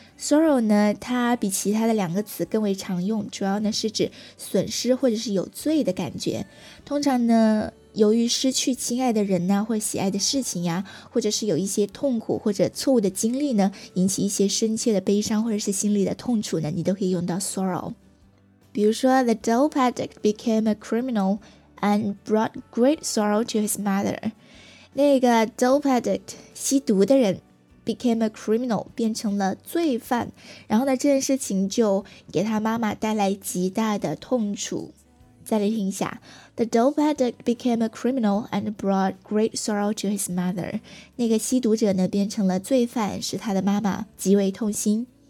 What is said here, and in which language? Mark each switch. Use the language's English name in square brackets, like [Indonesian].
[Chinese] sorrow 呢它比其他的两个词更为常用，主要呢是指损失或者是有罪的感觉。通常呢由于失去亲爱的人呢，或喜爱的事情呀，或者是有一些痛苦或者错误的经历呢，引起一些深切的悲伤或者是心里的痛楚呢，你都可以用到 sorrow。比如说 [English] The dope addict became a criminal and brought great sorrow to his mother。 [Chinese] 那个 dope addict 吸毒的人 [English] became a criminal [Chinese] 变成了罪犯，然后呢这件事情就给他妈妈带来极大的痛楚。再来听一下 [English] The dope addict became a criminal and brought great sorrow to his mother。 [Chinese] 那个吸毒者呢变成了罪犯，使他的妈妈极为痛心。